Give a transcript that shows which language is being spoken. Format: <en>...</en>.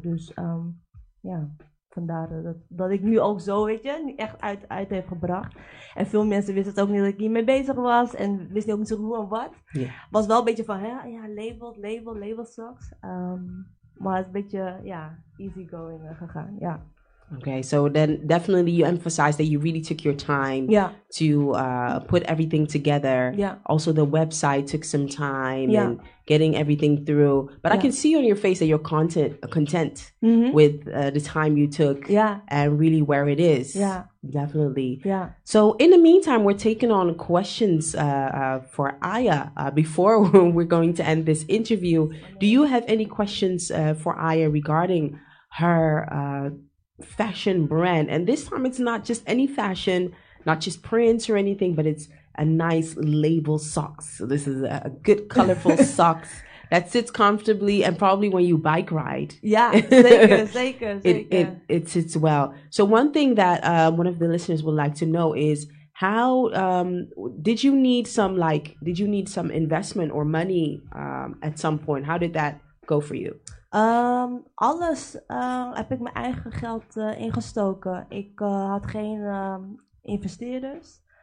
<nl>Dus vandaar dat ik nu ook zo, weet je, echt uit heb gebracht. En veel mensen wisten het ook niet dat ik hiermee bezig was. En wisten ook niet zo hoe en wat.</nl> <en>Yeah.</en> <nl>Was wel een beetje van, label socks. Maar het is een beetje, easygoing gegaan, ja.</nl> <en>Okay, so then definitely you emphasize that you really took your time to put everything together. Yeah. Also the website took some time and getting everything through. But I can see on your face that you're content mm-hmm. with the time you took and really where it is. Yeah. Definitely. Yeah. So in the meantime, we're taking on questions for Aia before we're going to end this interview. Do you have any questions for Aia regarding her... fashion brand? And this time it's not just any fashion, not just prints or anything, but it's a nice label socks. So this is a good colorful socks that sits comfortably and probably when you bike ride.</en> <nl>Yeah, zeker.</nl> <en>It sits well. So one thing that one of the listeners would like to know is how did you need some investment or money at some point? How did that go for you?</en> <nl>Alles. Heb ik mijn eigen geld ingestoken. Ik had geen investeerders.</nl>